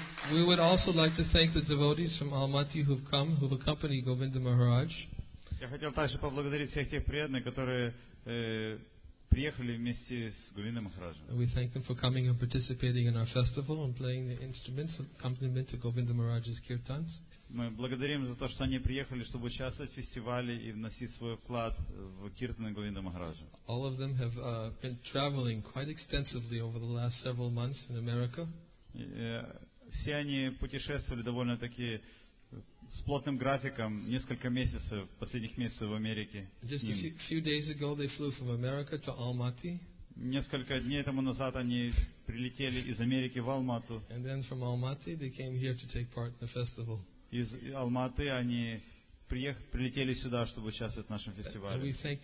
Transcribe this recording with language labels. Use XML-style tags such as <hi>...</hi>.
<en>We would also like to thank the devotees from Almaty who've come, who've accompanied Govinda Maharaj.</en> <ru>Я хотел также поблагодарить всех тех преданных, которые приехали вместе с Говиндой Махараджем.</ru> <en>We thank them for coming and participating in our festival and playing the instruments of accompaniment to Govinda Maharaj's kirtans.</en> <ru>Мы благодарим за то, что они приехали, чтобы участвовать в фестивале и вносить свой вклад в киртаны Говинды Махараджа.</ru> <en>All of them have been traveling quite extensively over the last several months in America.</en> <ru>Все они путешествовали довольно-таки с плотным графиком несколько месяцев, последних месяцев в Америке.</ru> <en>Just a few days ago they flew from America to Almaty.</en> <ru>Несколько дней тому назад они прилетели из Америки в Алмату.</ru> <en>And then from Almaty they came here to take part in the festival.</en> <ru>Из Алматы они прилетели сюда, чтобы участвовать в нашем фестивале.</ru>